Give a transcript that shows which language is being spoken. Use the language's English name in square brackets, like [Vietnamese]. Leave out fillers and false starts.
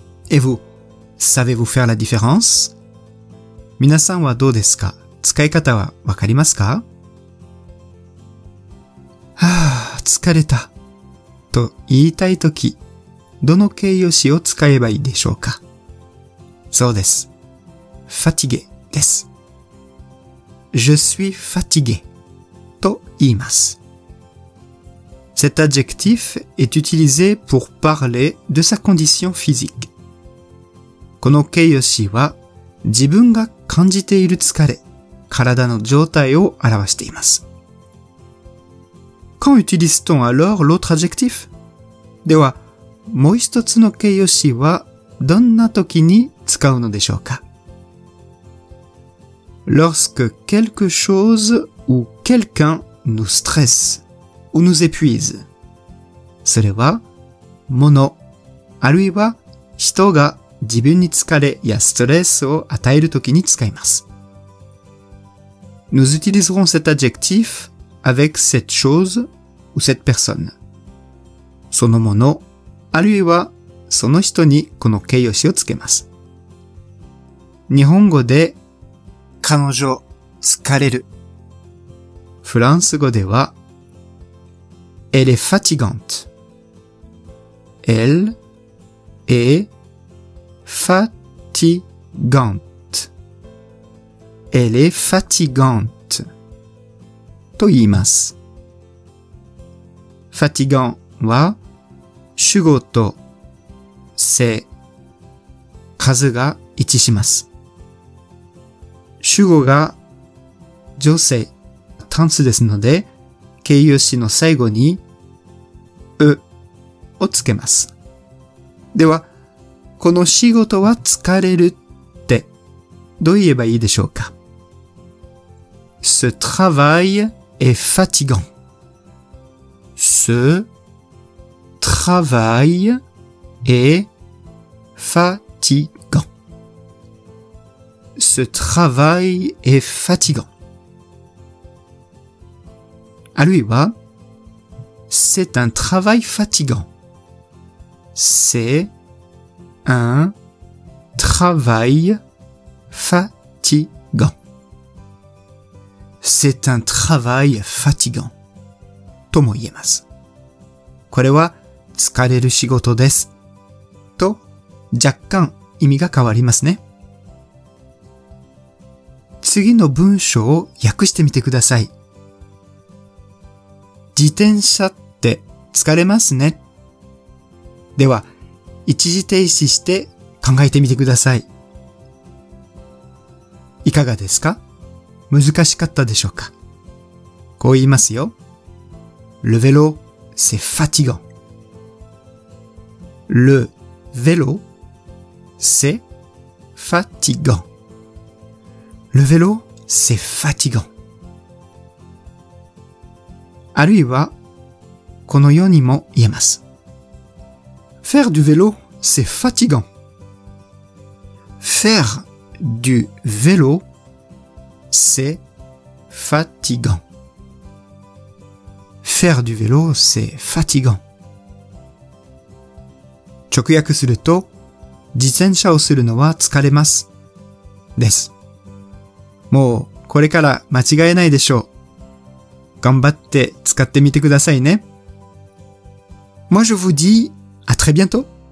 [French] Et vous, savez-vous faire la différence? [Japanese] 皆さんはどうですか？使い方はわかりますか？はぁ、疲れた。と言いたいとき、どの形容詞を使えばいいでしょうか？そうです。fatigué です。 [French] Je suis fatigué [Japanese] と言います。 [French] Cet adjectif est utilisé pour parler de sa condition physique. [Japanese] この形容詞は自分が感じている疲れ、体の状態を表しています。 [French] Quand utilise-t-on alors l'autre adjectif? [Japanese] では、もう一つの形容詞はどんな時に使うのでしょうか ? [French] Lorsque quelque chose ou quelqu'un nous stresse. ou nous épuise. [Japanese] それは、もの、あるいは、人が自分に疲れやストレスを与えるときに使います。 [French] Nous utiliserons cet adjectif avec cette chose ou cette personne. [Japanese] そのもの、あるいは、その人にこの形容詞をつけます。日本語で、彼女、疲れる。フランス語では、 [French] Elle est fatigante. Elle est fatigante. Elle est fatigante. [Japanese] と言います。 Fatigant は主語と性数が一致します。主語が女性単数ですので形容詞の最後にをつけます。では、この仕事は疲れるってどう言えばいいでしょうか ? [French] Ce travail est fatigant. Ce travail est fatigant. Ce travail est fatigant. À lui, va. C'est un travail fatigant. C'est un travail fatigant. C'est un travail fatigant. [Japanese] とも言えます。これは疲れる仕事です。と若干意味が変わりますね。次の文章を訳してみてください。自転車疲れますね。では、一時停止して考えてみてください。いかがですか？難しかったでしょうか？こう言いますよ。 [French] Le vélo, c'est fatigant. Le vélo, c'est fatigant. Le vélo, c'est fatigant. [Japanese] あるいは、このようにも言えます。 [French] Faire du vélo, c'est fatigant. Faire du vélo, c'est fatigant. Faire du vélo, c'est fatigant. [Japanese] 直訳すると、自転車をするのは疲れます。です。もうこれから間違えないでしょう。頑張って使ってみてくださいね。 [French] Moi, je vous dis à très bientôt.